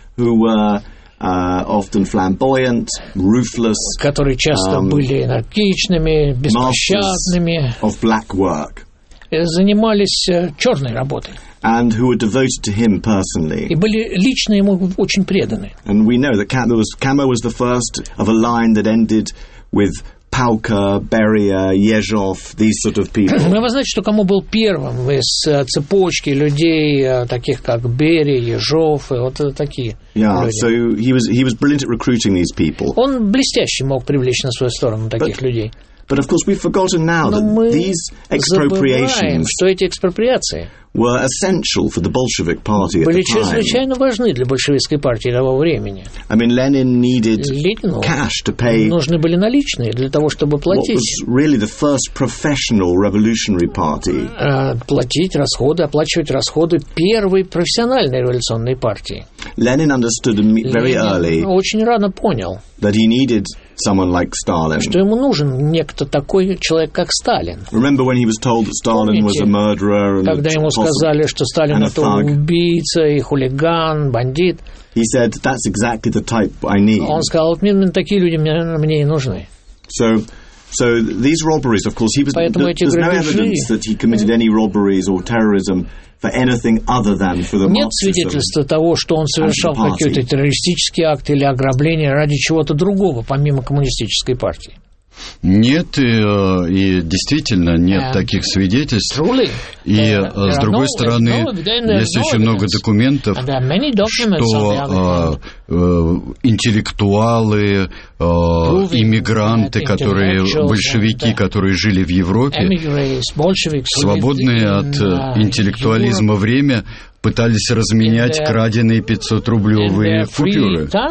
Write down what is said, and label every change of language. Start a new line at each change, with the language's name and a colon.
English: Who were often flamboyant, ruthless,
Russian: которые часто были энергичными, беспощадными,
English: of black work,
Russian: занимались черной работой,
English: and who were devoted to him personally,
Russian: и были лично ему очень преданы.
English: And we know that Camo was the first of a line that ended with Паука, Берия, Ежов, these sort of people.
Russian: Мы знаем, что Камо был первым из цепочки людей, таких как Берия, Ежов, и вот такие люди.
English: So he was brilliant at recruiting these people.
Russian: Он блестяще мог привлечь на свою сторону таких людей.
English: But of course we've forgotten now that these expropriations were essential for the Bolshevik party at the time.
Russian: Были чрезвычайно важны для большевистской партии того времени.
English: I mean, Lenin needed cash to pay.
Russian: Нужны были наличные для того, чтобы платить.
English: What was really the first professional revolutionary party?
Russian: Платить расходы, оплачивать расходы первой профессиональной революционной партии.
English: Lenin understood very early.
Russian: Очень рано понял.
English: That he needed someone like Stalin.
Russian: Что ему нужен некто такой человек, как Сталин.
English: Remember when he was told that Stalin was a murderer and
Russian: когда ему сказали, что Сталин это убийца и хулиган, бандит.
English: He said, that's exactly the type I need.
Russian: Он сказал, такие люди мне и нужны.
English: So these robberies, of course, there's no evidence that he committed any robberies or terrorism for anything other than for the
Russian: Marxism. Нет свидетельства того, что он совершал какие-то террористические акты или ограбления ради чего-то другого, помимо коммунистической партии. Нет, и действительно нет таких свидетельств.
English: Truly,
Russian: и с другой стороны, есть очень много документов, что интеллектуалы, иммигранты, которые большевики, которые жили в Европе, свободные от интеллектуализма время, пытались разменять краденые 500-рублевые купюры.